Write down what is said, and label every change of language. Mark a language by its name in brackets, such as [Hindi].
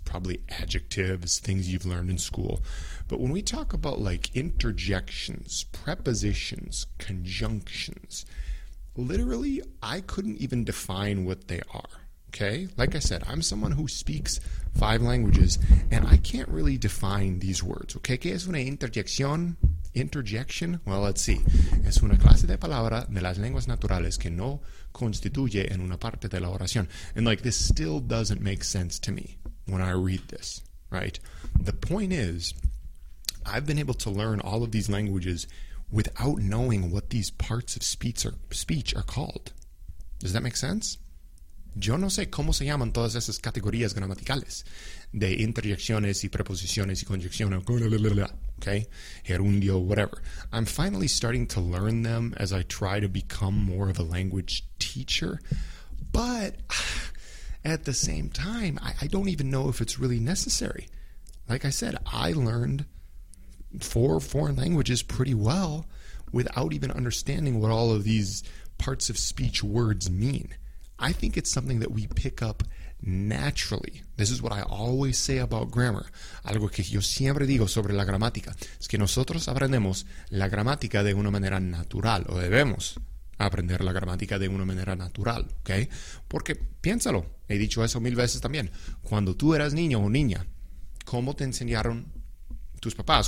[English] Probably adjectives, things you've learned in school. But when we talk about like interjections, prepositions, conjunctions, literally I couldn't even define what they are. Okay, like I said, I'm someone who speaks five languages, and I can't really define these words. Okay, [Spanish] ¿qué es una interjección? [English] Interjection? Well, let's see. [Spanish] Es una clase de palabra de las lenguas naturales que no constituye en una parte de la oración. [English] And like, this still doesn't make sense to me when I read this, right? The point is, I've been able to learn all of these languages without knowing what these parts of speech are called. Does that make sense? [Spanish] Yo no sé cómo se llaman todas esas categorías gramaticales de interjecciones y preposiciones y conjecciones, okay? [English] Gerundio, whatever. I'm finally starting to learn them as I try to become more of a language teacher. But at the same time, I don't even know if it's really necessary. Like I said, I learned four foreign languages pretty well without even understanding what all of these parts of speech words mean. I think it's something that we pick up naturally. This is what I always say about grammar. [Spanish] Algo que yo siempre digo sobre la gramática es que nosotros aprendemos la gramática de una manera natural, o debemos aprender la gramática de una manera natural, ¿ok? Porque, piénsalo, he dicho eso mil veces también, cuando tú eras niño o niña, ¿cómo te enseñaron tus papás?